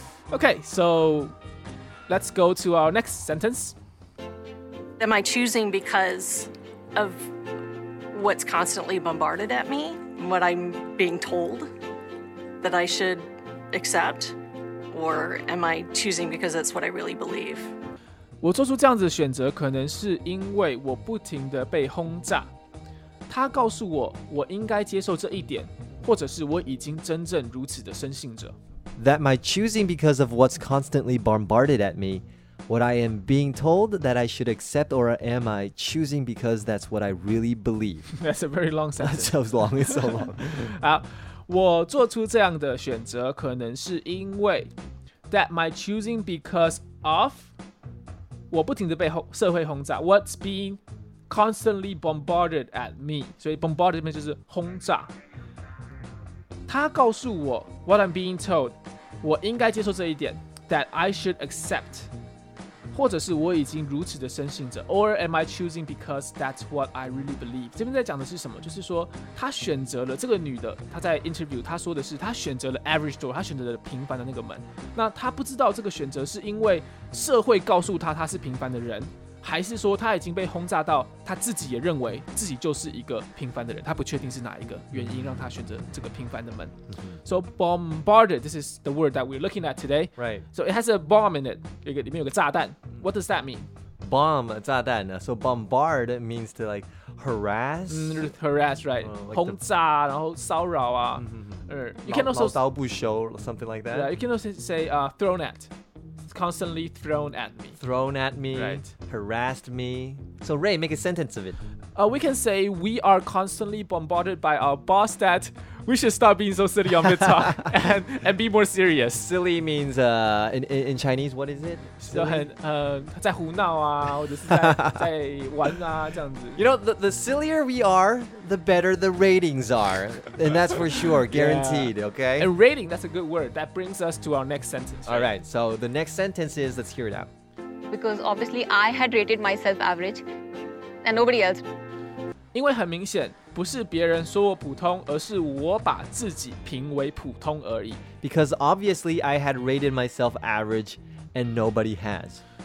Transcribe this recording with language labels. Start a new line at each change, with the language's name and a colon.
English: Okay, so let's go to our next sentence. Am I choosing because of what's constantly bombarded at me, what I'm being told, that I should accept? Or am I choosing because that's what I really believe?
Chinese: 我做出这样子的选择，可能是因为我不停的被轰炸。他告诉我，我应该接受这一点，或者是我已经真正如此的深信着。
English: That my choosing because of what's constantly bombarded at me, what I am being told that I should accept, or am I choosing because that's what I really believe? That's a very long sentence. That's so long, it's so long.
Chinese: 好，我做出这样的选择，可能是因为
English: that my choosing because of
Chinese: 我不停的被社会轰炸
English: what's being constantly bombarded at me.
Chinese: 所以 bombarded 这边就是轰炸。他告诉我
English: what I'm being told,
Chinese: 我应该接受这一点
English: that I should accept,
Chinese: 或者是我已经如此的深信着
English: or am I choosing because that's what I really believe?
Chinese: 这边在讲的是什么？就是说他选择了这个女的，他在 interview 他说的是他选择了
English: average door,
Chinese: 他选择了平凡的那个门。那他不知道这个选择是因为社会告诉他他是平凡的人，还是说他已经被轰炸到他自己也认为自己就是一个平凡的人，他不确定是哪一个原因让他选择这个平凡的门。
English: So bombarded, this is the word that we're looking at today. Right. So it has a bomb in it.
Chinese: 有一个里面有个炸弹。
English: What does that mean? Bomb, 炸弹。So bombard means to like harass.、 Harass, right.
Chinese: 轰炸，然后骚扰啊。
English: You can also 刀不休 something like that. Yeah, you can also say、thrown at. Constantly thrown at me. Thrown at me. Right. Harassed me. So Ray, make a sentence of it. We can say we are constantly bombarded by our boss that we should stop being so silly on mid-talk and be more serious. Silly means in Chinese, what is it?
Chinese: 就很在胡闹啊，或者是在玩啊，这样子。
English: You know, the sillier we are, the better the ratings are, and that's for sure, guaranteed. Yeah. Okay. And rating, that's a good word. That brings us to our next sentence. All right. So the next sentence is, let's hear it out. Because obviously, I had rated myself average, and nobody else.
Chinese: 因为很明显。不是别人说我普通，而是我把自己评为普通而已。
English: Because obviously I had rated myself average and nobody has.